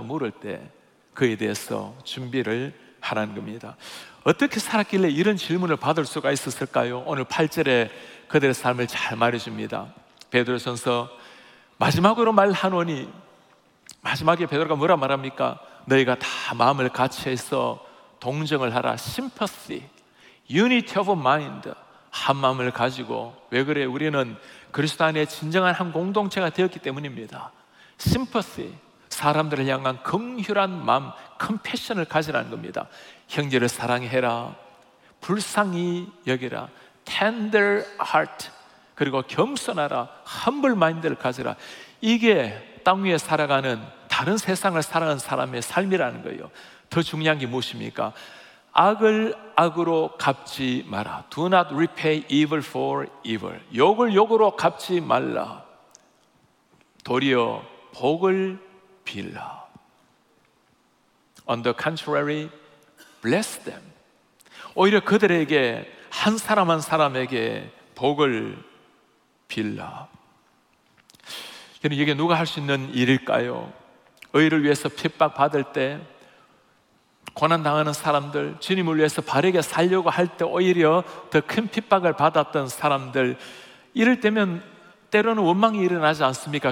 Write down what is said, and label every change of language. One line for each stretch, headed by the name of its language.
Korean: 물을 때 그에 대해서 준비를 하라는 겁니다. 어떻게 살았길래 이런 질문을 받을 수가 있었을까요? 오늘 8절에 그들의 삶을 잘 말해줍니다. 베드로전서 마지막으로 말하노니, 마지막에 베드로가 뭐라 말합니까? 너희가 다 마음을 같이해서 동정을 하라.
English: Sympathy, unity of mind,
Korean: 한 마음을 가지고. 왜 그래? 우리는 그리스도 안에 진정한 한 공동체가 되었기 때문입니다. Sympathy, 사람들을 향한 긍휼한 마음, compassion을 가지라는 겁니다. 형제를 사랑해라, 불쌍히 여기라,
English: tender heart,
Korean: 그리고 겸손하라,
English: humble mind
Korean: 를 가지라. 이게 땅 위에 살아가는, 다른 세상을 살아가는 사람의 삶이라는 거예요. 더 중요한 게 무엇입니까? 악을 악으로 갚지 마라.
English: Do not repay evil for evil.
Korean: 욕을 욕으로 갚지 말라. 도리어 복을 빌라.
English: On the contrary, bless them.
Korean: 오히려 그들에게, 한 사람 한 사람에게 복을 빌라. 그럼 이게 누가 할 수 있는 일일까요? 의를 위해서 핍박받을 때, 고난당하는 사람들, 주님을 위해서 바르게 살려고 할 때 오히려 더 큰 핍박을 받았던 사람들, 이럴 때면 때로는 원망이 일어나지 않습니까?